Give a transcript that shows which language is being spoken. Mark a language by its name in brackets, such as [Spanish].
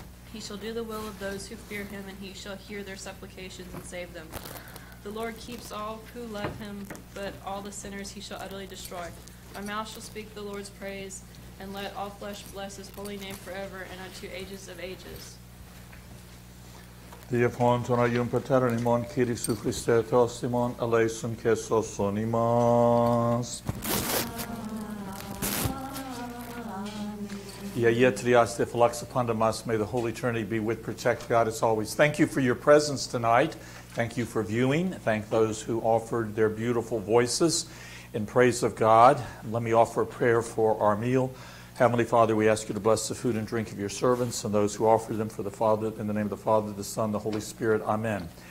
[English] He shall do the will of those who fear him, and he shall hear their supplications and save them. The Lord keeps all who love him, but all the sinners he shall utterly destroy. My mouth shall speak the Lord's praise, and let all flesh bless his holy name forever and unto ages of ages. [Greek] Δια φόντων Αγίων Πατέρων ημών, Κύριε Ιησού Χριστέ, Θεός ημών, ελέησον και σώσον ημάς. Η Αγία Τριάστια φυλάξα πάντα μας. [English] May the Holy Trinity be with, protect God as always. Thank you for your presence tonight. Thank you for viewing. Thank those who offered their beautiful voices in praise of God. Let me offer a prayer for our meal. Heavenly Father, we ask you to bless the food and drink of your servants and those who offer them for the Father, in the name of the Father, the Son, the Holy Spirit. Amen.